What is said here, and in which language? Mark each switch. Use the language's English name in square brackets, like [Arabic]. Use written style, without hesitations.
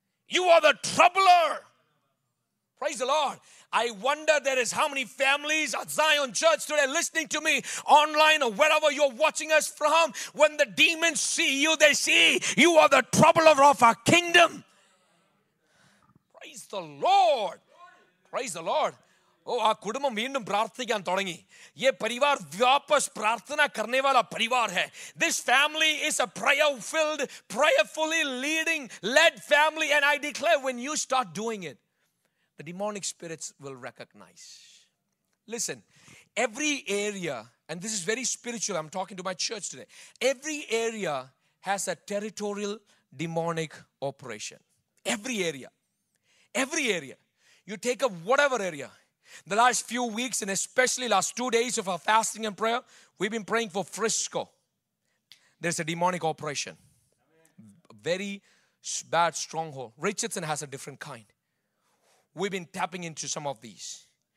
[English] You are the troubler. Praise the Lord. I wonder there is how many families at Zion Church today listening to me online or wherever you're watching us from. When the demons see you, they see you are the troubler of our kingdom. Praise the Lord. Praise the Lord. [Malayalam] ഓ ആ കുടുംബം വീണ്ടും പ്രാർത്ഥിക്കാൻ തുടങ്ങി. [Hindi] യേ പരിവാർ വാപ്പസ് പ്രാർത്ഥന കർനേ വാല പരിവാർ ഹേ. [English] This family is a prayer filled prayerfully leading led family and I declare when you start doing it the demonic spirits will recognise. Listen, every area, and this is very spiritual, I am talking to my church today, every area has a territorial demonic operation. Every area, every area, you take a whatever area. The last few weeks, and especially last 2 days of our fasting and prayer, we've been praying for Frisco. There's a demonic operation. Very bad stronghold. Richardson has a different kind. We've been tapping into some of these.